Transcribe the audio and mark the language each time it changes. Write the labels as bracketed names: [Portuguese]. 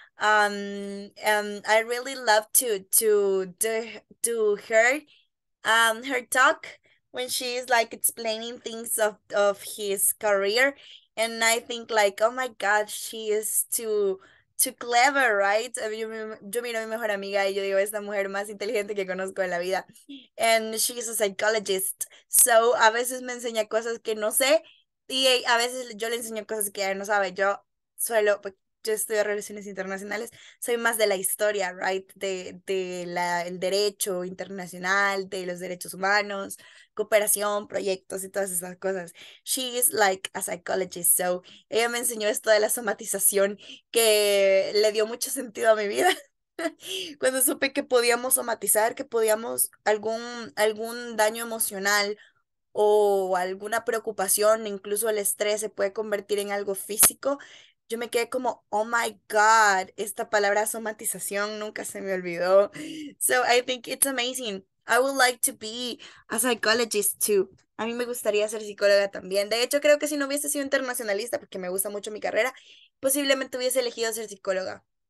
[English] I really love to her talk. When she is like explaining things of his career, and I think like, oh my God, she is too clever, right? [Spanish] Yo miro a mi mejor amiga y yo digo, es la mujer más inteligente que conozco en la vida. [English] And she is a psychologist. So [Spanish] a veces me enseña cosas que no sé y a veces yo le enseño cosas que ella no sabe. Yo estudio relaciones internacionales, soy más de la historia, [English] right? [Spanish] El derecho internacional, de los derechos humanos, cooperación, proyectos y todas esas cosas. [English] She is like a psychologist, so [Spanish] ella me enseñó esto de la somatización que le dio mucho sentido a mi vida. Cuando supe que podíamos somatizar, que podíamos algún daño emocional o alguna preocupación, incluso el estrés se puede convertir en algo físico. Yo me quedé como, [English] oh my God, [Spanish] esta palabra somatización nunca se me olvidó. [English] So I think it's amazing. I would like to be a psychologist too. [Spanish] A mí me gustaría ser psicóloga también. De hecho, creo que si no hubiese sido internacionalista, porque me gusta mucho mi carrera, posiblemente hubiese elegido ser psicóloga.